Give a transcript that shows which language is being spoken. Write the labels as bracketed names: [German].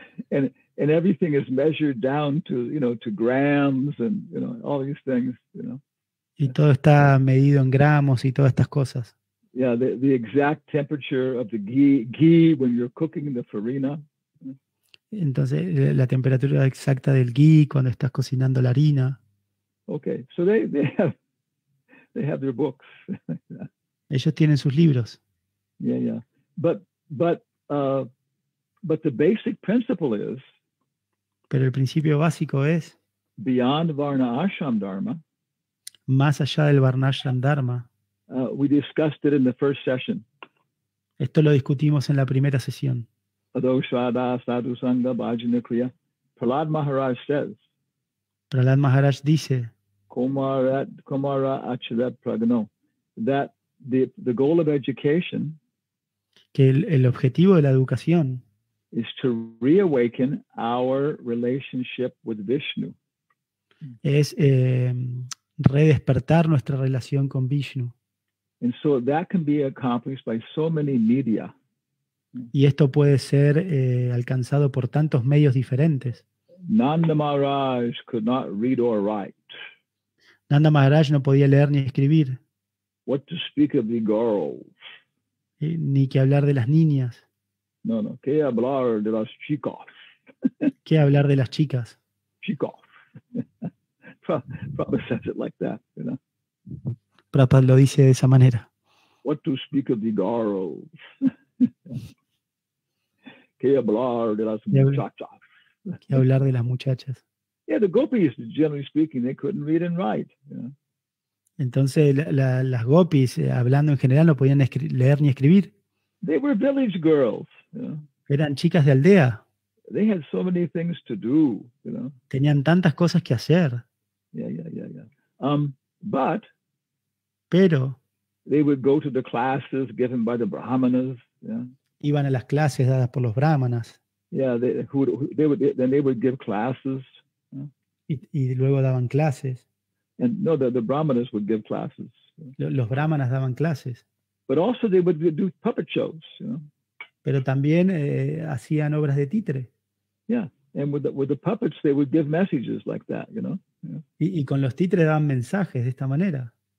[English] And everything is measured down to, you know, to grams and, you know, all these things, you know. [Spanish] Y todo está medido en gramos y todas estas cosas. [English] Yeah, the exact temperature of the ghee when you're cooking the farina. [Spanish] Entonces, la temperatura exacta del ghee cuando estás cocinando la harina. [English] Okay, so they have their books. [Spanish] Ellos tienen sus libros. [English] Yeah. But the basic principle is, [Spanish] pero el principio básico es [English] beyond Varna Ashram Dharma. [Spanish] Más allá del Varna Ashram Dharma. [English] We discussed it in the first session. [Spanish] Esto lo discutimos en la primera sesión. [Sanskrit] Adoshada sadhu sangha bhajana kriya. [English] Prahlad Maharaj says. [Spanish] Prahlad Maharaj dice. [Sanskrit] Kumara acharat pragano. [English] That the goal of education. [Spanish] Que el objetivo de la educación. [English] Is to reawaken our relationship with Vishnu. [Spanish] Es redespertar nuestra relación con Vishnu. [English] And so that can be accomplished by so many media. [Spanish] Y esto puede ser alcanzado por tantos medios diferentes. [English] Nanda Maharaj could not read or write. [Spanish] Nanda Maharaj no podía leer ni escribir. [English] What to speak of the girls? [Spanish] Ni que hablar de las niñas. No. ¿Qué hablar de las chicas? ¿Qué hablar de las chicas? Chicos. [English] Prabhupada says it like that, you know. [Spanish] Prabhupada lo dice de esa manera. [English] What to speak of the girls? [Spanish] ¿Qué hablar de las muchachas? ¿Qué hablar de las muchachas? [English] Yeah, the gopis, generally speaking, they couldn't read and write. You know? [Spanish] Entonces, las gopis, hablando en general, no podían leer ni escribir. [English] They were village girls. You know? [Spanish] Eran chicas de aldea. [English] They had so many things to do. You know? [Spanish] Tenían tantas cosas que hacer. [English] Yeah. But. [Spanish] Pero. [English] They would go to the classes given by the brahmanas. Yeah. [Spanish] Iban a las clases dadas por los brahmanas. [English] Yeah, they would give classes. [Spanish] Y luego daban clases. [English] And no, the brahmanas would give classes. [Spanish] Los brahmanas daban clases. [English] But also they would do puppet shows, you know. [Spanish] Pero también hacían obras de títere. [English] Yeah, and with the puppets they would give messages like that, you know. [Spanish] Y con los títeres daban mensajes de esta manera.